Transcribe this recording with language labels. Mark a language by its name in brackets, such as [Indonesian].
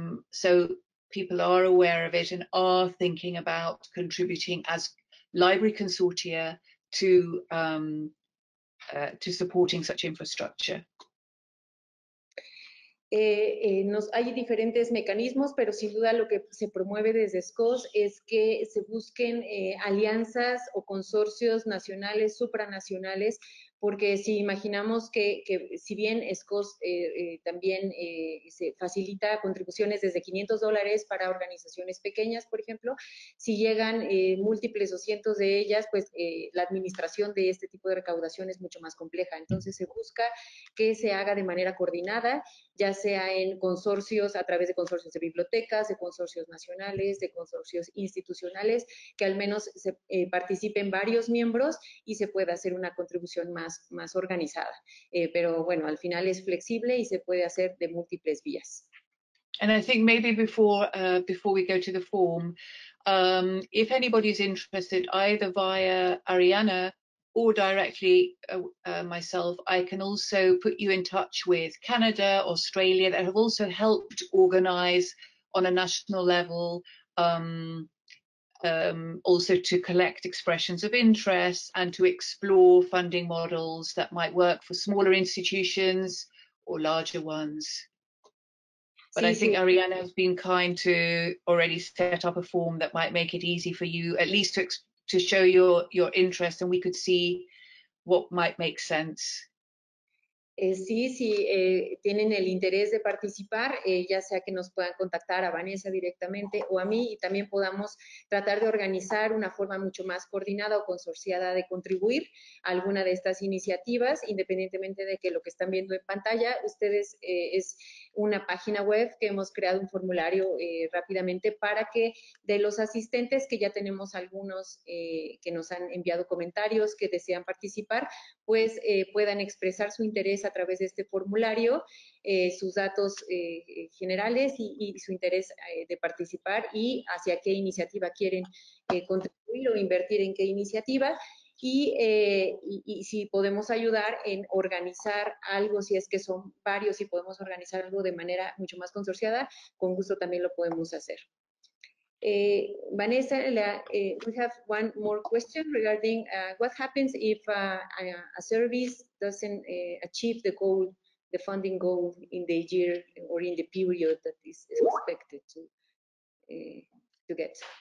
[English] So people are aware of it and are thinking about contributing as library consortia to supporting such infrastructure. [Spanish] Hay diferentes mecanismos, pero sin duda lo que se promueve desde SCOS es que se busquen alianzas o consorcios nacionales, supranacionales, porque si imaginamos que si bien SCOS también se facilita contribuciones desde $500 para organizaciones pequeñas, por ejemplo, si llegan múltiples o cientos de ellas, pues la administración de este tipo de recaudación es mucho más compleja. Entonces se busca que se haga de manera coordinada, ya sea en consorcios, a través de consorcios de bibliotecas, de consorcios nacionales, de consorcios institucionales, que al menos se participen varios miembros y se pueda hacer una contribución más organizada. Pero bueno, al final es flexible y se puede hacer de múltiples vías. [English] And I think maybe before we go to the form, if anybody is interested, either via Ariana or directly myself, I can also put you in touch with Canada, Australia, that have also helped organize on a national level, also to collect expressions of interest and to explore funding models that might work for smaller institutions or larger ones. But sí, I think sí. Ariana has been kind to already set up a form that might make it easy for you at least to show your interest, and we could see what might make sense. [Spanish] Tienen el interés de participar, ya sea que nos puedan contactar a Vanessa directamente o a mí, y también podamos tratar de organizar una forma mucho más coordinada o consorciada de contribuir a alguna de estas iniciativas, independientemente de que lo que están viendo en pantalla ustedes es una página web que hemos creado un formulario rápidamente para que de los asistentes, que ya tenemos algunos que nos han enviado comentarios que desean participar, pues puedan expresar su interés a través de este formulario sus datos generales y su interés de participar y hacia qué iniciativa quieren contribuir o invertir en qué iniciativa. Y si podemos ayudar en organizar algo, si es que son varios y podemos organizar algo de manera mucho más consorciada, con gusto también lo podemos hacer. [English] Vanessa, we have one more question regarding what happens if a service doesn't achieve the goal, the funding goal in the year or in the period that is expected to get.